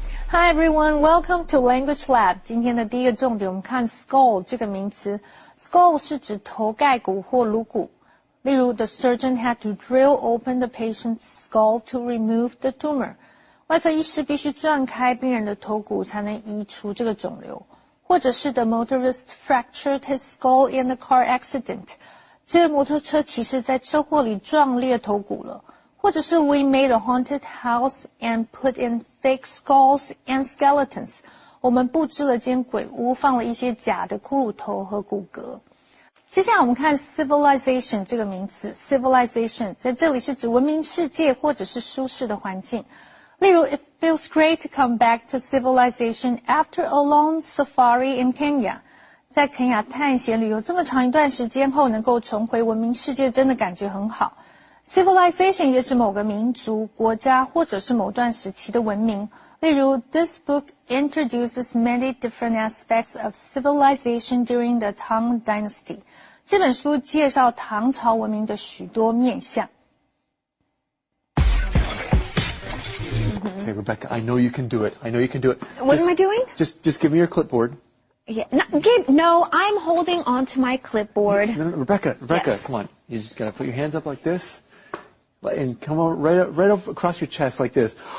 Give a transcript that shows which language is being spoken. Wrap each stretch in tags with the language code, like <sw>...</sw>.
<en>Hi everyone, welcome to Language Lab.</en> <zh>今天的第一个重点我们看 skull 这个名词。 Skull 是指头盖骨或颅骨。例如</zh> <en>,the surgeon had to drill open the patient's skull to remove the tumor.</en> <zh>外科医师必须钻开病人的头骨才能移除这个肿瘤。或者是</zh> <en>,the motorist fractured his skull in a car accident.</en> <zh>这位摩托车骑士在车祸里撞裂头骨了。或者是</zh> <en>,we made a haunted house and put in fake skulls and skeletons.</en> <zh>我们布置了间鬼屋放了一些假的骷髅头和骨骼。接下来我们看 civilization 这个名词 ,civilization, 在这里是指文明世界或者是舒适的环境。例如</zh> <en>,it feels great to come back to civilization after a long safari in Kenya.</en> <zh>在肯亚探险旅游这么长一段时间后能够重回文明世界真的感觉很好。 Civilization 也指某个民族、国家或者是某段时期的文明。例如</zh> <en>,this book introduces many different aspects of civilization during the Tang Dynasty.</en> <zh>这本书介绍唐朝文明的许多面向。</zh> <en>Hey, Rebecca, I know you can do it. I know you can do it. What am I doing? Just give me your clipboard. Yeah, no, I'm holding onto my clipboard. No, Rebecca, yes. Come on. You just gotta put your hands up like this. And come on, right up across your chest like this.</en>